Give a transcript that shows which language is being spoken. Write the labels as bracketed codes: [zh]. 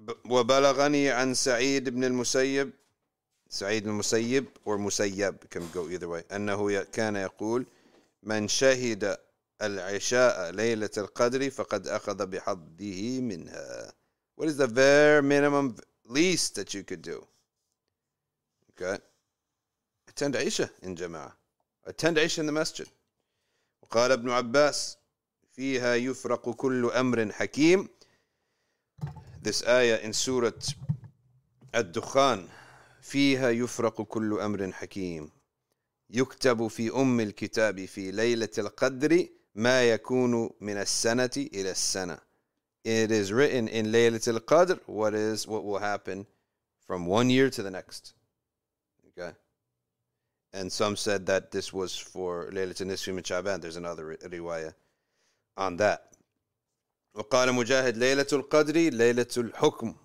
[ar] وبلغني عن سعيد بن المسيب. سعيد المسيب or مسيب [en] can go either way. [ar] أنه كان يقول من شهد العشاء ليلة القدر فقد أخذ بحظه منها. [en] What is the bare minimum least that you could do? Okay. Attend Aisha in Jama'ah. Attend Aisha in the masjid. [ar] وقال ابن عباس فيها يفرق كل أمر حكيم. [en] This ayah in Surah Ad-Dukhan. [ar] فيها يفرق كل أمر حكيم. يكتب في أم الكتاب في ليلة القدر ما يكون من السنة إلى السنة. [en] It is written in ليلة القدر what will happen from 1 year to the next. And some said that this was for Laylatul Nisfi min Sha'ban. There's another riwayah on that. [ar] وقال مجاهد Laylatul Qadri Laylatul Hukm.